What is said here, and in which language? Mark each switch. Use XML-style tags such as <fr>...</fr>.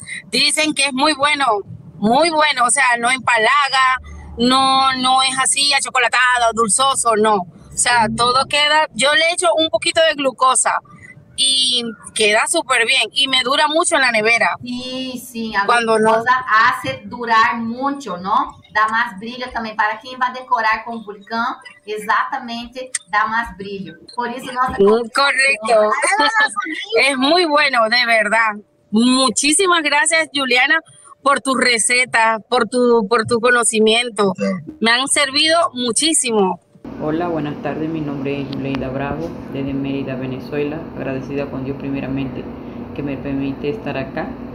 <es>Dicen que es muy bueno, muy bueno. O sea, no empalaga, no es así, achocolatado, dulzoso, no. O sea, todo queda. Yo le echo un poquito de glucosa y queda súper bien. Y me dura mucho en la nevera.</es> <pt>Sim, a</pt> <es>Cuando no. glucosa hace durar mucho, ¿no?</es> <pt>Dá mais brilho também. Para quem vai decorar com vulcão, exatamente dá mais brilho. Por isso, nossa conversa.</pt> <es>Correcto. Es muy bueno, de verdad. Muchísimas gracias, Juliana, por tus recetas, por tu conocimiento. Me han servido muchísimo. Hola, buenas tardes. Mi nombre es Yuleida Bravo, desde Mérida, Venezuela. Agradecida con Dios primeramente que me permite estar acá.</es>